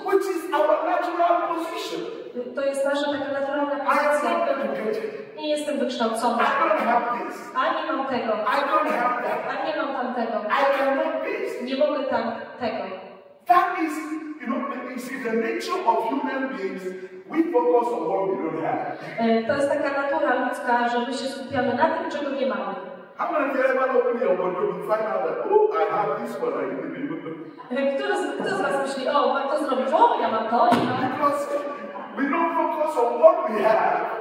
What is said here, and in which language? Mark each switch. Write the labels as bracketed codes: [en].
[en] Which is our natural position. [pl] To jest nasza taka naturalna pozycja. Nie jestem wykształcony. [en] I don't have this. [pl] Ani mam tego. [en] I don't have that. [pl] A nie mam tamtego. [en] I cannot this. [pl] Nie mogę tam tego. [en] That is, you know, you see the nature of human beings. We focus on what we don't have. [pl] To jest taka natura ludzka, że my się skupiamy na tym, czego nie mamy. [en] How many of you ever open your wardrobe and find out that, oh, I have this one, I didn't even know. [pl] Kto z was myśli, o, mam to zrobić, o, ja mam to, ja mam. [en] Because we don't focus on what we have.